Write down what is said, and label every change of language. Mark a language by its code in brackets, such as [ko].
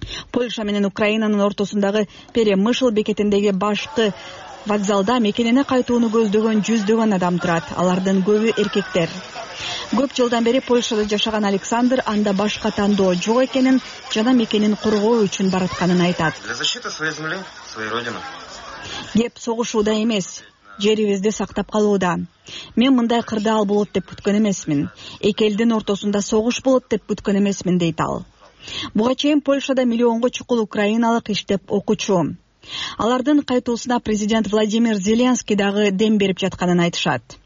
[ky] Польша менен Украинанын ортосундагы Перемышл бекетиндеги башкы вокзалда мекенине кайтууну көздөгөн жүздөгөн адам турат. Алардын көбү эркектер. Көп жылдан бери Польшада жашаган Александр анда башка тандоо жок экенин жана мекенин коргоо үчүн баратканын айтат. [ru] Для защиты своей земли, своей родины. [ky] Кеп согушууда эмес, жерибизди сактап калууда. Мен мындай кырдаал болот деп күткөн эмесмин. Эки элдин ортосунда согуш болот деп күткөн эмесмин, дейт ал. Буга чейин Польшада миллионго чукул украиналык иштеп окуучу. Алардын кайтуусуна президент Владимир Зеленский дагы дем берип жатканын айтышат.